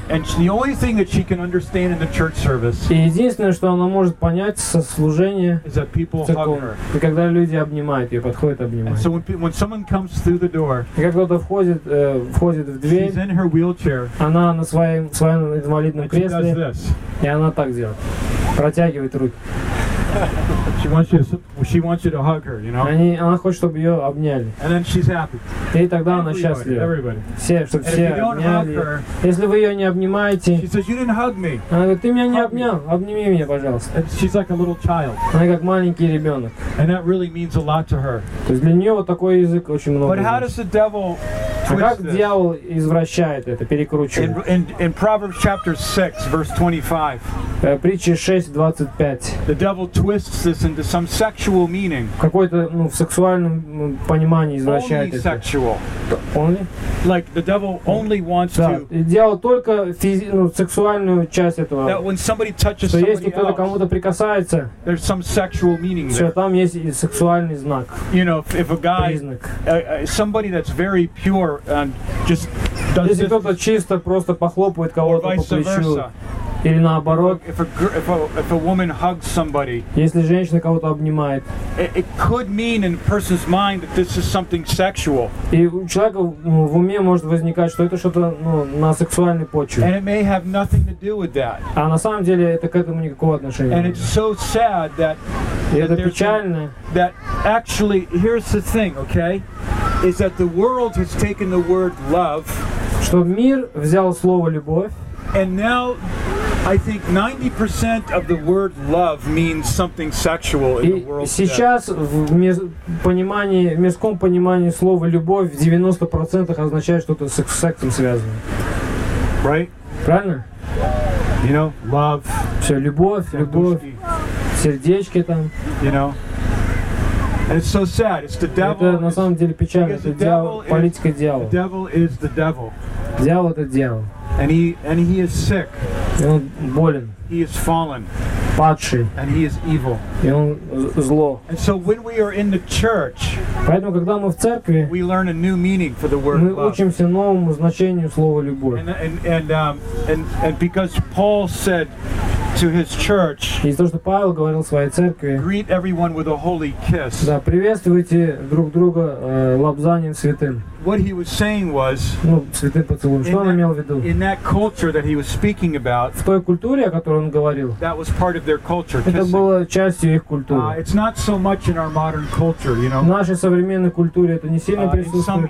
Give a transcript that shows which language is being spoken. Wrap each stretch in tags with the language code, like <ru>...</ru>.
<en>Comes, and the only thing that she can understand in the church service.</en> <ru>И единственное, что она может понять со служения.</ru> <en>Is that people hug her.</en> <ru>И когда люди обнимают ее, подходят, обнимают.</ru> <en>And so when someone comes through the door.</en> <ru>И когда кто-то входит в дверь.</ru> <en>She's in her wheelchair.</en> <ru>Она на своем инвалидном кресле. И она так делает. Протягивает руки.</ru> <en>She wants you to hug her, you know.</en> <ru>Она хочет, чтобы ее обняли.</ru> <en>And then she's happy.</en> <ru>И тогда она счастлива.</ru> <en>Everybody.</en> <ru>Все, чтобы все обняли. Если вы ее не обнимаете,</ru> <en>she says, you didn't hug me.</en> <ru>Она говорит, ты меня не обнял. Обними меня, пожалуйста.</ru> <en>And she's like a little child.</en> <ru>Она как маленький ребенок.</ru> <en>And that really means a lot to her.</en> <ru>То есть для нее вот такой язык очень много.</ru> <en>But how does the devil twist this?</en> <ru>А как дьявол извращает это, перекручивает?</ru> <en>In Proverbs chapter 6, verse 25.</en> <ru>Притча 6:25.</ru> <en>The devil twists this into some sexual meaning.</en> <ru>Какой-то, ну, в сексуальном понимании извращает</ru> <en>only</en> <ru>это.</ru> <en>Sexual. Only? Like the devil only wants</en> <ru>да.</ru> <en>to.</en> <ru>Дьявол только сексуальную часть этого.</ru> <en>That when somebody touches</en> <ru>что</ru> <en>somebody</en> <ru>если кто-то</ru> <en>else,</en> <ru>кому-то прикасается,</ru> <en>there's some sexual meaning</en> <ru>все,</ru> <en>there.</en> <ru>Там есть сексуальный знак.</ru> <en>You know, if a guy, somebody that's very pure and just does</en> <ru>если</ru> <en>this,</en> <ru>кто-то чисто просто похлопывает кого-то по плечу.</ru> <en>Versa.</en> <ru>Или наоборот.</ru> <en>If a woman hugs somebody,</en> <ru>если женщина кого-то обнимает.</ru> <en>It could mean in a person's mind that this is something sexual.</en> <ru>И у человека в уме может возникать, что это что-то, ну, на сексуальной почве.</ru> <en>And it may have nothing to do with that.</en> <ru>А на самом деле это к этому никакого отношения</ru> <en>and</en> <ru>не имеет.</ru> <en>So sad that,</en> <ru>и это печально.</ru> <en>That actually, here's the thing, okay? Is that the world has taken the word love,</en> <ru>что мир взял слово любовь.</ru> <en>And now I think 90% of the word love means something sexual in the world.</en> <ru>Сейчас в понимании, в мирском понимании слова любовь в 90% означает что-то с сексом связанное.</ru> <en>Right?</en> <ru>Правильно?</ru> <en>You know, love.</en> <ru>Все, любовь, сердечки там.</ru> <en>You know. And it's so sad. It's the devil.</en> <ru>Это на самом деле печально. Это дьявол, политика дьявола.</ru> <en>The devil is the devil.</en> <ru>Дьявол это дьявол.</ru> <en>And he is sick.</en> <ru>И он болен.</ru> <en>He is fallen.</en> <ru>Падший.</ru> <en>And he is evil.</en> <ru>И он зло.</ru> <en>And so when we are in the church,</en> <ru>поэтому когда мы в церкви,</ru> <en>we learn a new meaning for the word love.</en> <ru>Мы учимся новому значению слова любовь.</ru> <en>And because Paul said to his church,</en> <ru>и то, что Павел говорил своей церкви,</ru> <en>greet everyone with a holy kiss.</en> <ru>Да, приветствуйте друг друга лобзанием святым.</ru> <en>What he was saying was,</en> <ru>ну, святым поцелуем. Что он имел в виду?</ru> <en>In that culture that he was speaking about,</en> <ru>в той культуре, о которой он говорил,</ru> <en>that was part of their culture,</en> <ru>это было частью их культуры.</ru> <en>It's not so much in our modern culture, you know.</en> <ru>В нашей современной культуре это не сильно присутствует.</ru>